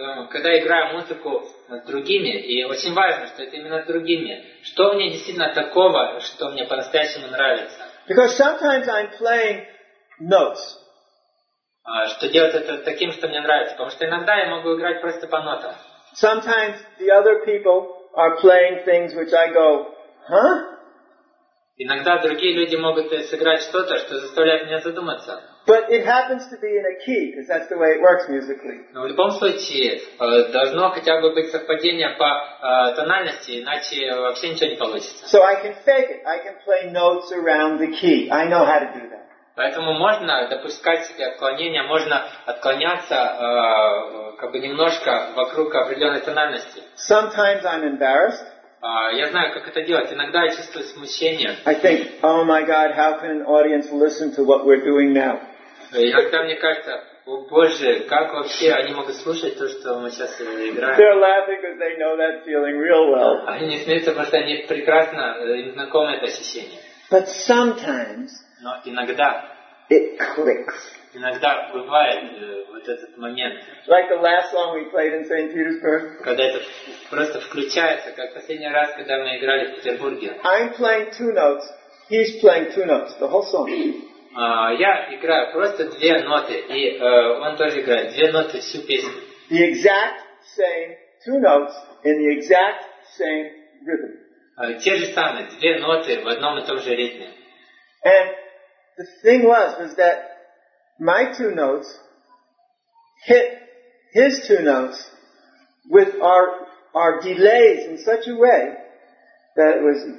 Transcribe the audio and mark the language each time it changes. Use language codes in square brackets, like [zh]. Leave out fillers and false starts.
[ru] Когда я играю музыку с другими, и очень важно, что это именно с другими, что мне действительно такого, что мне по-настоящему нравится? [en] Because sometimes I'm playing notes. [ru] Что делать это таким, что мне нравится? Потому что иногда я могу играть просто по нотам. [en] Sometimes the other people are playing things which I go, huh? [ru] Иногда другие люди могут сыграть что-то, что заставляет меня задуматься. [en] But it happens to be in a key, because that's the way it works musically. [ru] Но в любом случае должно хотя бы быть совпадение по тональности, иначе вообще ничего не получится. [en] So I can fake it. I can play notes around the key. I know how to do that. [ru] Поэтому можно допускать себе отклонения, можно отклоняться как бы немножко вокруг определенной тональности. [en] Sometimes I'm embarrassed. [ru] Я знаю, как это делать. Иногда я чувствую смущение. [en] I think, oh my God, how can an audience listen to what we're doing now? [ru] Иногда мне кажется, о Боже, как вообще они могут слушать то, что мы сейчас играем? [en] They're laughing because they know that feeling real well. [ru] Они не смеются, потому что они прекрасно им знакомы это ощущение. [en] But sometimes. [ru] Но иногда. [en] It clicks. [ru] Иногда бывает вот этот момент. [en] Like the last song we played in St. Petersburg. [ru] Когда это просто включается, как последний раз, когда мы играли в Петербурге. [en] I'm playing two notes. He's playing two notes. The whole song. [ru] Я играю просто две ноты, и он тоже играет две ноты всю песню. [en] The exact same two notes in the exact same rhythm. [ru] Те же самые две ноты в одном и том же ритме. [en] And the thing was that my two notes hit his two notes with our delays in such a way that it was.